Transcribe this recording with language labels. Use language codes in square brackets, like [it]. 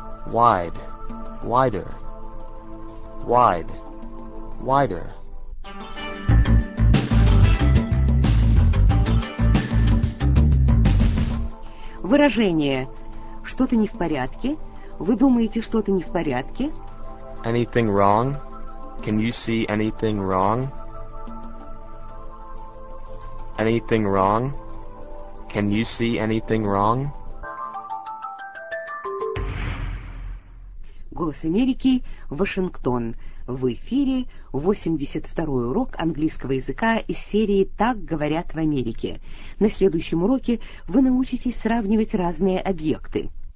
[en] Wide. Wider. Wide. Wider. [ru] Выражение. Что-то не в порядке? Вы думаете, что-то не в порядке? [en] Anything wrong? Can you see anything wrong? Anything wrong? Can you see anything wrong? [ru] Голос Америки, Вашингтон. В эфире 82-й урок английского языка из серии «Так говорят в Америке». На следующем уроке вы научитесь сравнивать разные объекты.